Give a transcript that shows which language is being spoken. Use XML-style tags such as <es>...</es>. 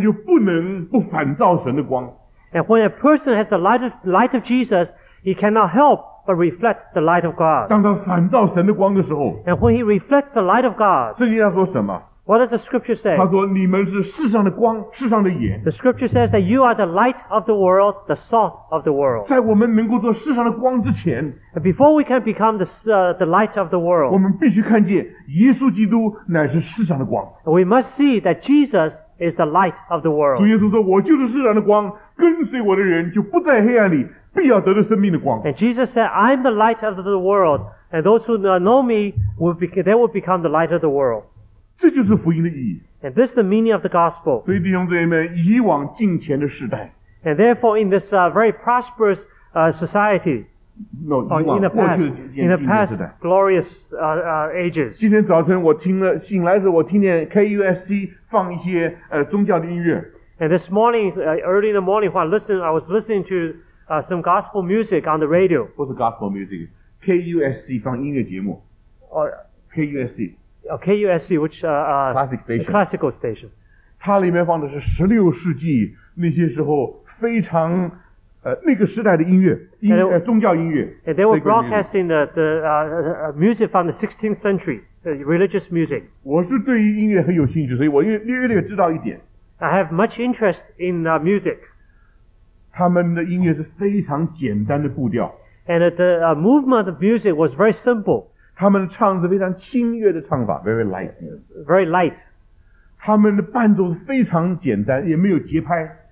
<zh>一个人当他有神的光的时候，他就不能不反照神的光。</zh> <en>And when a person has the light of Jesus, he cannot help but reflect the light of God.</en> <zh>当他反照神的光的时候,</zh> <en>and when he reflects the light of God,</en> <zh>圣经上说什么?</zh> <en>What does the scripture say?</en> <zh>他说你们是世上的光，世上的盐。</zh> <en>The scripture says that you are the light of the world, the salt of the world.</en> <zh>在我们能够做世上的光之前,</zh> <en>and before we can become the light of the world,</en> <zh>我们必须看见耶稣基督乃是世上的光。</zh> <en>We must see that Jesus is the light of the world.</en> <zh>主耶稣说，我就是世上的光，跟随我的人就不在黑暗里，必要得到生命的光。</zh> <en>And Jesus said, I'm the light of the world, and those who know me, will become the light of the world.</en> <zh>这就是福音的意义。</zh> <en>And this is the meaning of the gospel.</en> <zh>所以弟兄姊妹们，以往敬虔的时代。</zh> <en>And therefore, in this very prosperous society, in the past glorious ages. And this morning, early in the morning, while listening, I was listening to some gospel music on the radio. What's gospel music? KUSC,</en> <zh>放音乐节目.</zh> <en>KUSC. KUSC, which classic station. Classical station.</en> <zh>它里面放的是16世纪那些时候 非常那个时代的音乐，宗教音乐。</zh> <en>And they were broadcasting the music from the 16th century, the religious music.</en> <zh>我是对于音乐很有兴趣，所以我略略知道一点。</zh> <en>I have much interest in music.</en> <zh>他们的音乐是非常简单的步调。</zh> <en>And the movement of music was very simple.</en> <zh>他们唱是非常轻乐的唱法,</zh> <en>very light. Very light.</en> <zh>他们的伴奏非常简单，也没有节拍。</zh>